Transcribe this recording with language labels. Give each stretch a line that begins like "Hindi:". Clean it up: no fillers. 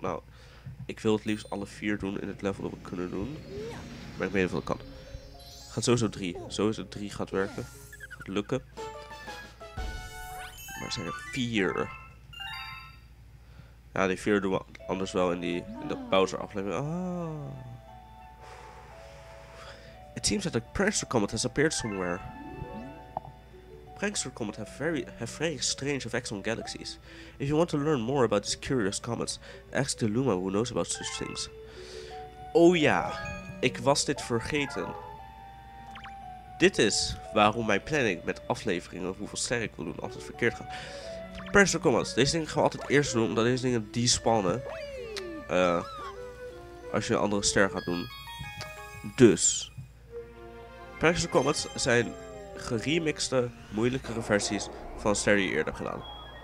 Dutch: Nou, ik wil het liefst alle 4 doen in het level dat we kunnen doen. Maar ik weet niet of dat kan. Gaat sowieso 3. Sowieso 3 gaat werken. Gaat lukken. Maar er zijn er 4. Ja, die 4 doen we anders wel in de pauze aflevering. Ah.
English: It seems that a prankster comet has appeared somewhere. Prankster comets have very strange effects on galaxies. If you want to learn more about these curious comets, ask the Luma who knows about such things.
Dutch: Oh ja, ik was dit vergeten. Dit is waarom mijn planning met afleveringen of hoeveel sterren ik wil doen altijd verkeerd gaat. Prankster comets, deze dingen gaan we altijd eerst doen omdat deze dingen despawnen. Als je een andere ster gaat doen. Dus. Prankster comets zijn geremixte, moeilijkere versies van ster die je eerder hebt gedaan.